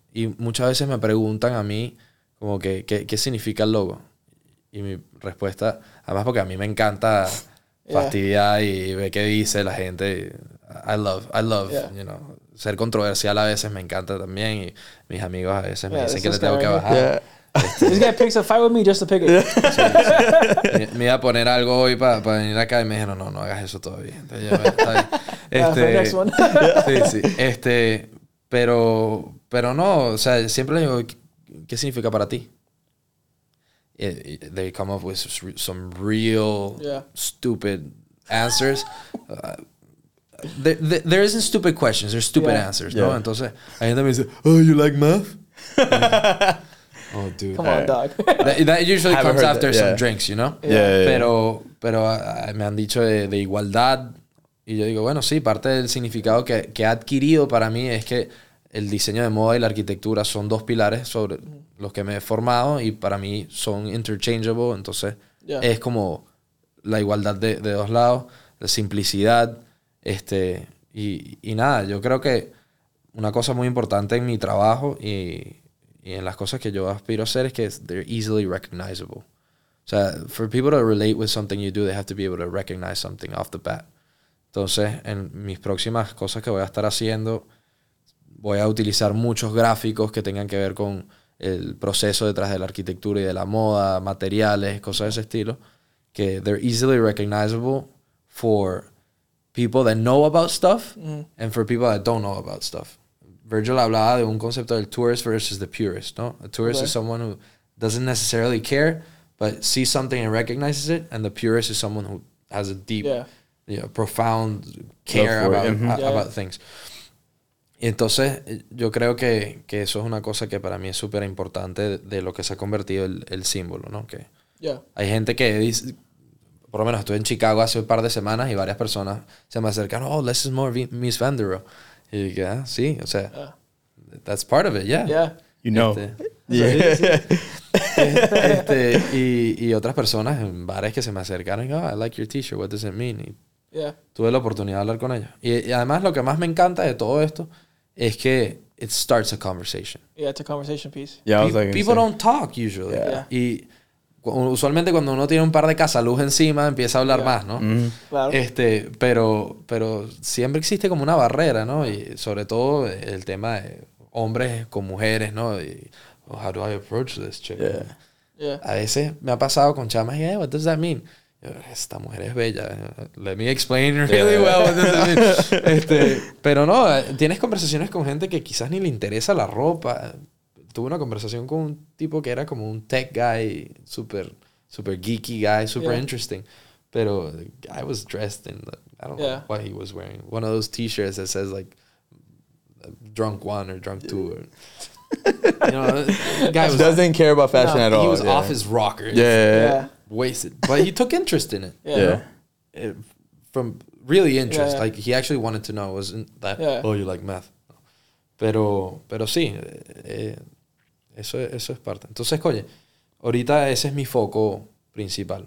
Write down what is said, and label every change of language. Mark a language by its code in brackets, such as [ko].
[es] Y muchas veces me preguntan a mí como que qué significa el logo. Y mi respuesta, además porque a mí me encanta fastidiar y ver qué dice la gente. [en] I love, you know. [es] Ser controversial a veces me encanta también. Y mis amigos a veces me dicen que le tengo que bajar. [en] This guy picks a fight with me just to pick it. [es] Me iba a poner algo hoy para venir acá y me dijeron, no hagas eso todavía. Entonces yo, [en] for next one. [es] Sí, sí. Pero no, o sea, siempre le digo, ¿qué significa para ti? [en] They come up with some real stupid answers. There isn't stupid questions, there's stupid answers, ¿no? [es] Entonces, la gente me dice, oh, [en] you like math? Oh, dude. Come on, dog. That usually comes after some drinks, you know? Yeah. [es] Pero me han dicho de igualdad. Y yo digo, bueno, sí, parte del significado que ha adquirido para mí es que el diseño de moda y la arquitectura son dos pilares sobre los que me he formado y para mí son interchangeable. Entonces, es como la igualdad de dos lados, la simplicidad. Y nada, yo creo que una cosa muy importante en mi trabajo y en las cosas que yo aspiro a hacer es que [en] they're easily recognizable. [es] O sea, [en] for people to relate with something you do, they have to be able to recognize something off the bat. [es] Entonces, en mis próximas cosas que voy a estar haciendo, voy a utilizar muchos gráficos que tengan que ver con el proceso detrás de la arquitectura y de la moda, materiales, cosas de ese estilo, que [en] they're easily recognizable for people that know about stuff [es] and for people that don't know about stuff. Virgil hablaba de un concepto del [en] tourist versus the purist, [es] ¿no? [en] A tourist is someone who doesn't necessarily care, but sees something and recognizes it, and the purist is someone who has a deep, you know, profound care about about things. [es] Entonces, yo creo que eso es una cosa que para mí es súper importante de lo que se ha convertido el símbolo, ¿no? Que hay gente que dice, por lo menos estuve en Chicago hace un par de semanas y varias personas se me acercaron, [en] oh, this is more Miss Van Der Rohe. [es] Y yo, yeah, sí, o sea, [en] that's part of it, You know. [es] y otras personas en bares que se me acercaron, oh, [en] I like your t-shirt, what does it mean? [es] Y tuve la oportunidad de hablar con ellos. Y además, lo que más me encanta de todo esto es que [en] it starts a conversation. Yeah, it's a conversation piece. People don't talk usually. [es] Usualmente cuando uno tiene un par de casaluz encima empieza a hablar más, ¿no? Claro. Pero siempre existe como una barrera, ¿no? Y sobre todo el tema de hombres con mujeres, ¿no? [en] Y, oh, how do I approach this chick? Yeah. [es] A veces me ha pasado con chamas y, [en] hey, what does that mean? [es] Esta mujer es bella. [en] Let me explain really well what does that mean. [es] Pero no, tienes conversaciones con gente que quizás ni le interesa la ropa. Tuve una conversación con un tipo que era como un [en] tech guy, super, super geeky guy, super interesting. Pero I was dressed in, the, I don't know what he was wearing. One of those t-shirts that says like, drunk one or drunk two. Or, you know, guy was doesn't care about fashion at all. He was off his rocker. Wasted. But he took interest in it. From really interest. Like he actually wanted to know. It wasn't that, oh, you like math. [es] Pero sí, eso es parte. Entonces, oye, ahorita ese es mi foco principal.